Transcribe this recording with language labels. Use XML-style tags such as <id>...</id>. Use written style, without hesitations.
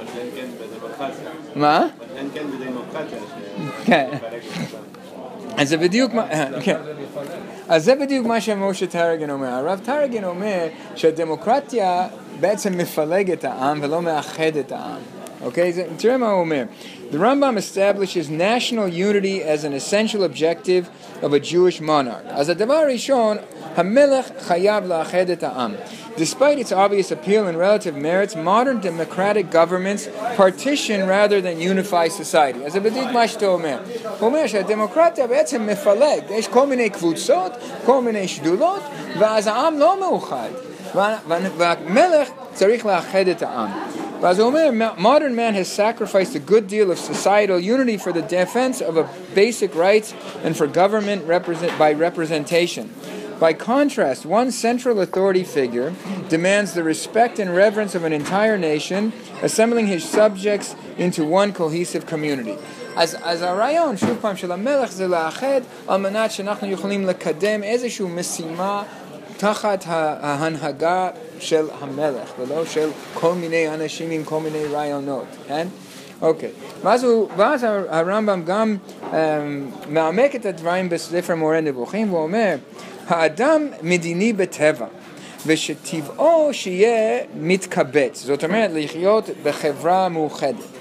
<he>אבל אין כן בדמוקרטיה. מה? זה בדיוק מה... אז זה בדיוק מה שמשה טרגן אומר. הרב טרגן אומר שהדמוקרטיה בעצם מפלג את העם ולא מאחד את העם. אוקיי? תראה מה הוא אומר.</he> <en>The Rambam establishes national unity as an essential objective of a Jewish monarch.</en> <he>אז הדבר הראשון, המלך חייב לאחד את העם.</he> <en>Despite its obvious appeal and relative merits, modern democratic governments partition rather than unify society.</en> <he>אז זה בדיוק מה שאתה אומר. הוא אומר שהדמוקרטיה בעצם מפלג. יש כל מיני קבוצות, כל מיני שדולות, ואז העם לא מאוחד. והמלך צריך לאחד את העם. ואז הוא אומר,</he> <en>modern man has sacrificed a good deal of societal unity for the defense of a basic rights and for government by representation. By contrast, one central authority figure demands the respect and reverence of an entire nation, assembling his subjects into one cohesive community.</en> <he>As הרעיון, שוב פעם, של המלך זה לאחד, על מנת שאנחנו יכולים לקדם איזשהו משימה תחת ההנהגה של המלך, ולא של כל מיני אנשים עם כל מיני רעיונות, כן? אוקיי. ואז הרמב״ם גם מעמק את הדברים בספר מורה נבוכים, והוא אומר, האדם מדיני בטבע, ושטבעו שיהיה מתקבץ, זאת אומרת לחיות בחברה מאוחדת.</he>